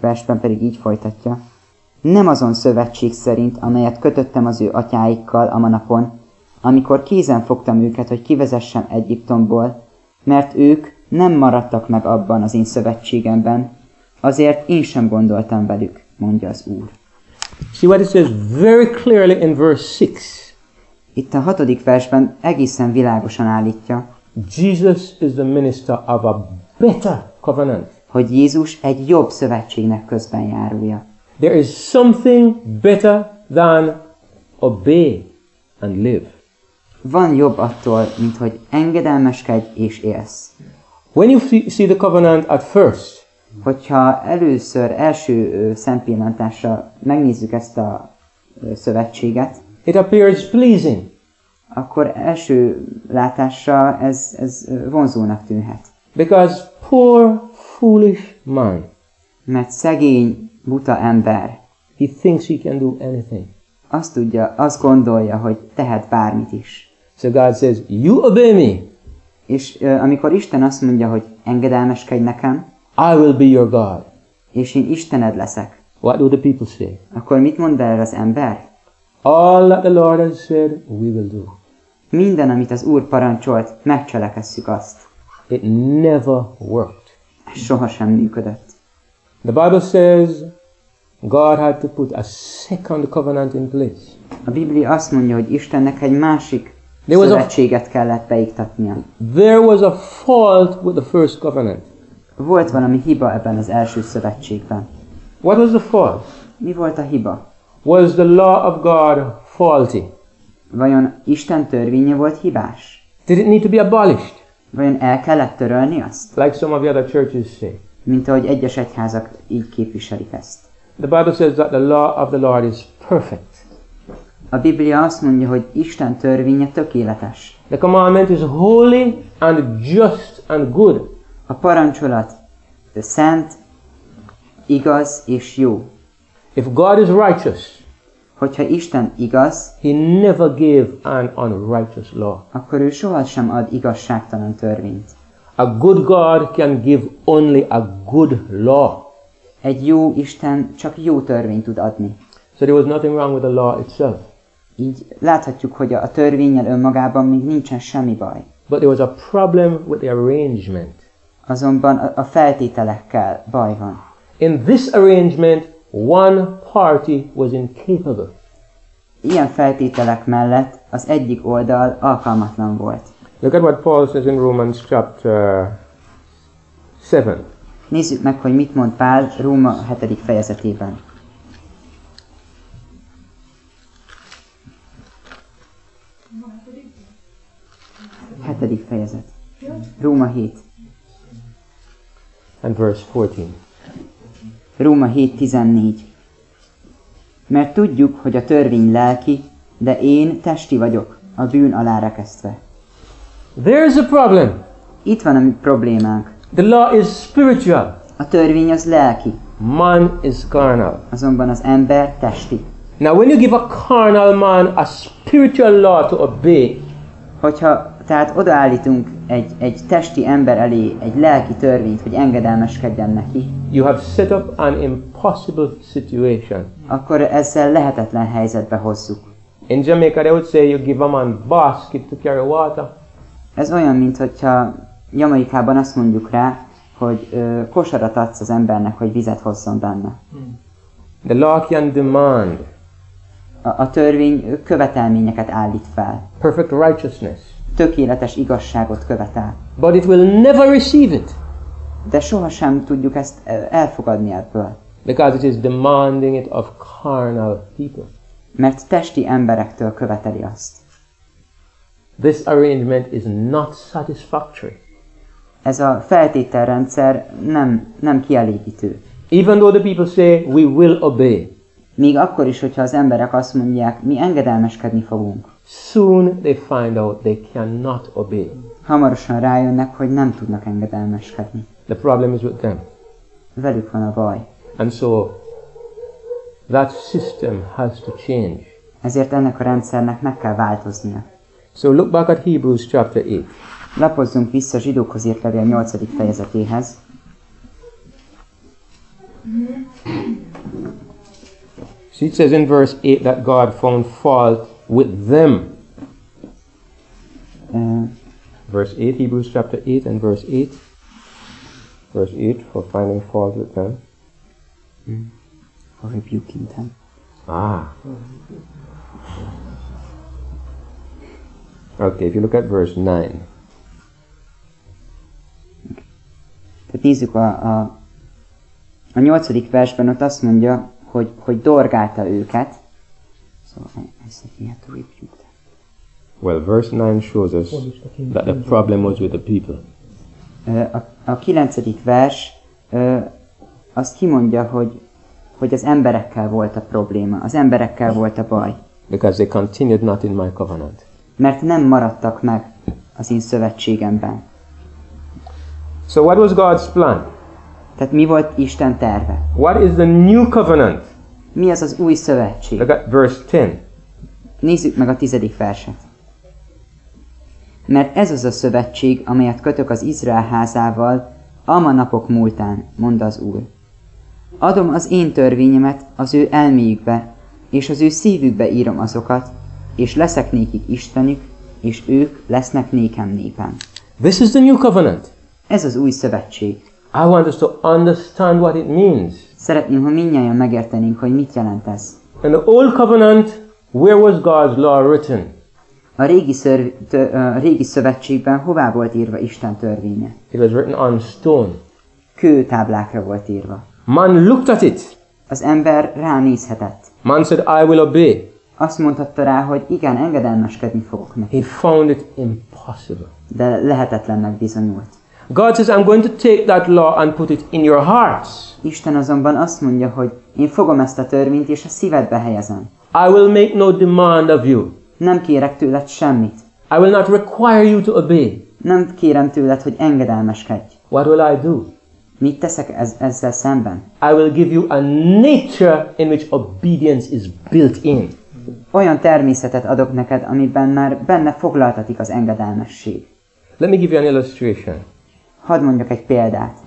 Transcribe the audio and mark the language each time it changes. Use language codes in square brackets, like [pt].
[hu] versben pedig így folytatja, nem azon szövetség szerint, amelyet kötöttem az ő atyáikkal a manapon, amikor kézen fogtam őket, hogy kivezessem Egyiptomból, mert ők nem maradtak meg abban az én szövetségemben, azért én sem gondoltam velük, mondja az Úr. [en] See what it says very clearly in verse 6. [hu] Itt a 6. versben egészen világosan állítja. [en] Jesus is the minister of a better covenant. [hu] Hogy Jézus egy jobb szövetségnek közbenjárója. [en] There is something better than obey and live. [hu] Van jobb attól, mint hogy engedelmeskedj és élsz. [en] When you see the covenant at first, [hu] hogyha először első szempillantásra megnézzük ezt a szövetséget, [en] it appears pleasing. [hu] Akkor első látásra ez vonzónak tűnhet. [en] Because poor foolish man. [hu] Mert szegény buta ember. [en] He thinks he can do anything. [hu] Azt tudja, azt gondolja, hogy tehet bármit is. [en] So God says, you obey me. [hu] És amikor Isten azt mondja, hogy engedelmeskedj nekem, [en] I will be your God. [hu] És én Istened leszek. [en] What do the people say? [hu] Akkor mit mond el az ember? [en] All that the Lord has said, we will do. [hu] Minden, amit az Úr parancsolt, megcselekesszük azt. [en] It never worked. [hu] Ez sohasem működött. [en] The Bible says, God had to put a second covenant in place. [hu] A Biblia azt mondja, hogy Istennek egy másik szövetséget kellett beiktatnia. [en] There was a fault with the first covenant. [hu] Volt valami hiba ebben az első szövetségben. [en] What was the fault? [hu] Mi volt a hiba? [en] Was the law of God faulty? [hu] Vajon Isten törvénye volt hibás? [en] Did it need to be abolished? [hu] Vajon el kellett törölni azt? [en] Like some of the other churches say. [hu] Mint ahogy egyes egyházak így képviselik ezt. [en] The Bible says that the law of the Lord is perfect. [hu] A Biblia azt mondja, hogy Isten törvénye tökéletes. [en] The commandment is holy and just and good. [hu] A parancsolat szent, igaz és jó. [en] If God is righteous, [hu] hogyha Isten igaz, [en] he never gave an unrighteous law. [hu] Akkor ő sohasem ad igazságtalan törvényt. [en] A good God can give only a good law. [hu] Egy jó Isten csak jó törvényt tud adni. [en] So there was nothing wrong with the law itself. [hu] Így láthatjuk, hogy a törvénnyel önmagában még nincsen semmi baj. [en] But there was a problem with the arrangement. [hu] Azonban a feltételekkel baj van. [en] In this arrangement, one party was incapable. [hu] Ilyen feltételek mellett az egyik oldal alkalmatlan volt. [en] Look at what Paul says in Romans chapter 7. [hu] Nézzük meg, hogy mit mond Pál Róma 7. fejezetében. Hetedik fejezet. Róma 7. [en] And verse 14. [hu] Róma 7:14. Mert tudjuk, hogy a törvény lelki, de én testi vagyok, a bűn alá rekesztve. [en] There is a problem. [hu] Itt van a problémánk. [en] The law is spiritual. [hu] A törvény az lelki. [en] Man is carnal. [hu] Azonban az ember testi. [en] Now when you give a carnal man a spiritual law to obey, [hu] hogyha tehát odaállítunk egy testi ember elé egy lelki törvényt, hogy engedelmeskedjen neki. [en] You have set up an impossible situation. [hu] Akkor ezzel lehetetlen helyzetbe hozzuk. [en] In Jamaica they would say you give a man basket to carry water. [hu] Ez olyan, mintha Jamaikában azt mondjuk rá, hogy kosarat adsz az embernek, hogy vizet hozzon benne. [en] The law can demand. [hu] A törvény követelményeket állít fel. [en] Perfect righteousness. [hu] Tökéletes igazságot követel. [en] But it will never receive it. [hu] De sohasem tudjuk ezt elfogadni ebből. [en] Because it is demanding it of carnal people. [hu] Mert testi emberektől követeli azt. [en] This arrangement is not satisfactory. [hu] Ez a feltételrendszer nem kielégítő. [en] Even though the people say we will obey. [hu] Még akkor is, hogyha az emberek azt mondják, mi engedelmeskedni fogunk. [en] Soon they find out they cannot obey. [hu] Hamarosan rájönnek, hogy nem tudnak engedelmeskedni. [en] The problem is with them. [hu] Velük van a baj. [en] And so that system has to change. [hu] Ezért ennek a rendszernek meg kell változnia. [en] So look back at Hebrews chapter 8. [hu] Lapozzunk vissza a Zsidókhoz írt levél 8. fejezetéhez. [en] So it says in verse 8 that God found fault with them. Verse 8, Hebrews chapter 8 and verse 8. Verse 8, for finding fault with them. For rebuking them. Ah. Okay, if you look at verse 9. [hu] Tehát nézzük a nyolcadik versben, ott azt mondja, hogy dorgálta őket. [en] So, I think we have to rebuke that. Well, verse 9 shows us that the problem was with the people. [hu] A kilencedik vers azt kimondja, hogy az emberekkel volt a probléma, az emberekkel volt a baj. [en] Because they continued not in my covenant. [hu] Mert nem maradtak meg az én szövetségemben. [en] So what was God's plan? [hu] Tehát mi volt Isten terve? [en] What is the new covenant? [hu] Mi az az új szövetség? [en] Look at verse 10. [hu] Nézzük meg a tizedik verset. Mert ez az a szövetség, amelyet kötök az Izrael házával, ama napok múltán, mondta az Úr. Adom az én törvényemet az ő elméjükbe, és az ő szívükbe írom azokat, és leszek nékik Istenük, és ők lesznek nékem népem. [en] This is the new covenant. [hu] Ez az új szövetség. [en] I want us to understand what it means. [hu] Szeretném, ha mindnyájan megértenénk, hogy mit jelent ez. [en] In the old covenant, where was God's law written? [hu] A régi, régi szövetségben hová volt írva Isten törvénye? [en] It was written on stone. [hu] Kőtáblákra volt írva. [en] Man looked at it. [hu] Az ember ránézhetett. [en] Man said, I will obey. [hu] Azt mondhatta rá, hogy igen, engedelmeskedni fogok neki. [en] He found it impossible. [hu] De lehetetlennek bizonyult. [en] God says, I'm going to take that law and put it in your hearts. [hu] Isten azonban azt mondja, hogy én fogom ezt a törvényt és a szívedbe helyezem. [en] I will make no demand of you. [hu] Nem kérek tőled semmit. [en] I will not require you to obey. [hu] Nem kérem tőled, hogy engedelmeskedj. [en] What will I do? [hu] Mit teszek ezzel szemben? [en] I will give you a nature in which obedience is built in. [hu] Olyan természetet adok neked, amiben már benne foglaltatik az engedelmesség. [en] Let me give you an illustration. [hu] Hadd mondjak egy példát.